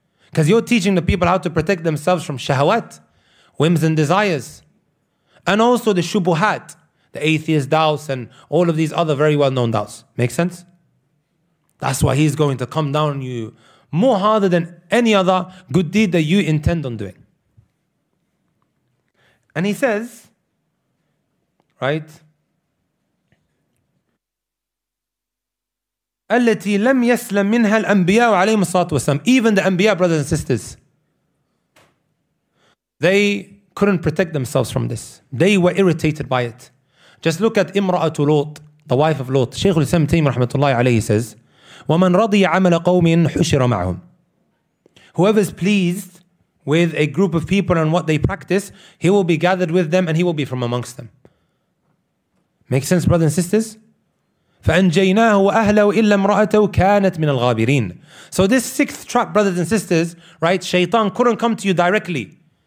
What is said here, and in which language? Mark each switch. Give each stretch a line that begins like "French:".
English: Because you're teaching the people how to protect themselves from shahawat, whims and desires, and also the shubuhat, the atheist doubts, and all of these other very well-known doubts. Make sense? That's why he's going to come down on you more harder than any other good deed that you intend on doing. And he says, right,
Arabic: التي لم يسلم منها الأنبياء عليهم الصلاة والسلام.
English: Even the Anbiya, brothers and sisters, they couldn't protect themselves from this. They were irritated by it. Just look at إمرأة لوط, the wife of Lot.
Arabic: شيخ الإسلام تيمية رحمة الله عليه
English: says,
Arabic: ومن رضي عمل قوم حشر معهم.
English: Whoever is pleased with a group of people and what they practice, he will be gathered with them and he will be from amongst them. Make sense, brothers and sisters?
Arabic: فَأَنْجَيْنَاهُ وَأَهْلَهُ إِلَّا امْرَأَتَهُ كَانَتْ مِنَ الْغَابِرِينَ.
English: So this sixth trap, brothers and sisters, right, shaitan couldn't come to you directly.